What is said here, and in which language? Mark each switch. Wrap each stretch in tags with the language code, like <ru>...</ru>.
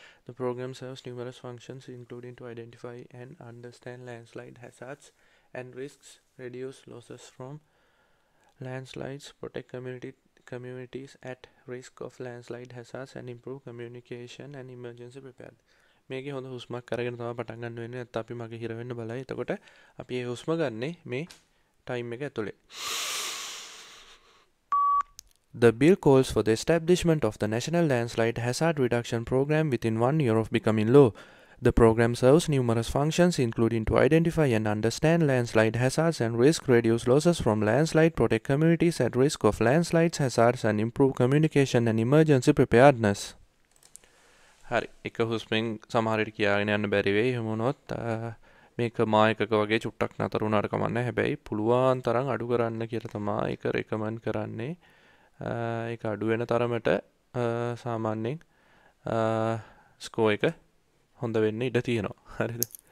<en>The program serves numerous functions including to identify and understand landslide hazards and risks, reduce losses from landslides, protect communities at risk of landslide hazards and improve communication and emergency preparedness.</en> <si>මේකේ හොඳ හුස්මක් කරගෙන තමයි පටන් ගන්න වෙන්නේ. නැත්නම් අපි මගේ හිර වෙන්න බලයි. එතකොට අපි ඒ හුස්ම ගන්නේ මේ ටයිම් එක ඇතුලේ.</si> <en>The bill calls for the establishment of the National Landslide Hazard Reduction Program within 1 year of becoming law. The program serves numerous functions including to identify and understand landslide hazards and risk, reduce losses from landslide, protect communities at risk of landslides hazards and improve communication and emergency preparedness.</en> <si>හරි, එක හුස්මෙන් සමහරට කියාගෙන යන්න බැරි වෙයි. එහෙම වුණොත් මේක මායකක වගේ චුට්ටක් නතර වුණාට කමක් නැහැ. හැබැයි පුළුවන් තරම් අඩු කරන්න කියලා තමයි ඒක රෙකමන්ඩ් කරන්නේ. ඒක අඩු වෙන තරමට සාමාන්‍යයෙන් ස්කෝ එක හොඳ වෙන්න ඉඩ තියෙනවා. හරිද?</si>